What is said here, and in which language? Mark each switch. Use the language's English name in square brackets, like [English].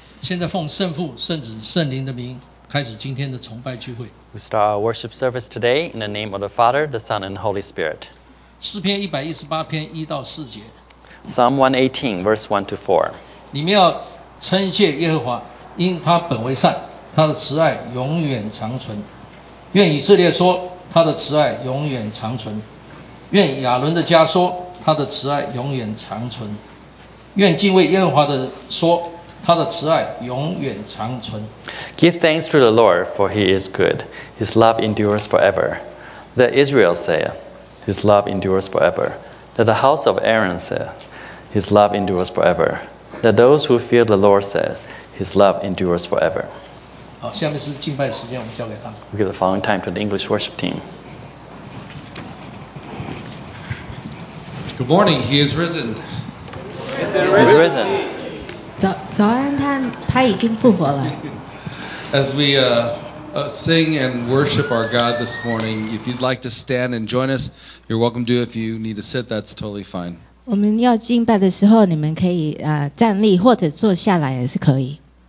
[Chinese] 现在奉圣父、圣子、圣灵的名，开始今天的崇拜聚会。 [English] We start our worship service today in the name of the Father, the Son, and Holy Spirit. [Chinese] 诗篇一百一十八篇一到四节。 [English] Psalm 118, verse 1 to 4. [Chinese] 你们要称谢耶和华，因他本为善，他的慈爱永远长存。愿以色列说。他的慈爱永远长存，愿亚伦的家说，他的慈爱永远长存，愿敬畏耶和华的说，他的慈爱永远长存。 [English] Give thanks to the Lord, for he is good. His love endures forever. Let Israel say, his love endures forever. Let the house of Aaron say, his love endures forever. Let those who fear the Lord say, his love endures forever. [Chinese] 好，下面是敬拜时间，我们交给他。 [English] We give the following time to the English worship team. Good morning. He is risen. He is risen. [Chinese] 早安，他已经复活了。 [English] As we sing and worship our God this morning, if you'd like to stand and join us, you're welcome to. If you need to sit, that's totally fine. [Chinese] 我们要敬拜的时候，你们可以站立或者坐下来也是可以。